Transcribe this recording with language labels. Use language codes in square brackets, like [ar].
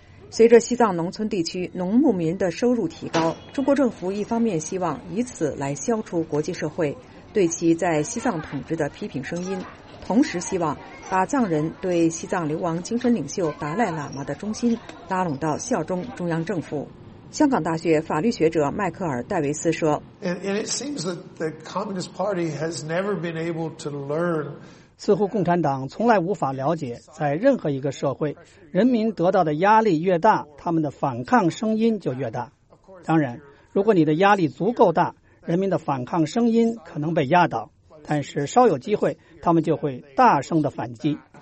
[zh] 随着西藏农村地区农牧民的收入提高，中国政府一方面希望以此来消除国际社会对其在西藏统治的批评声音，同时希望把藏人对西藏流亡精神领袖达赖喇嘛的忠心拉拢到效忠中央政府。香港大学法律学者迈克尔·戴维斯说 [en] And it seems that the Communist Party has never been able to learn... [zh] 似乎共产党从来无法了解，在任何一个社会，人民得到的压力越大，他们的反抗声音就越大。当然，如果你的压力足够大，人民的反抗声音可能被压倒，但是稍有机会，他们就会大声的反击。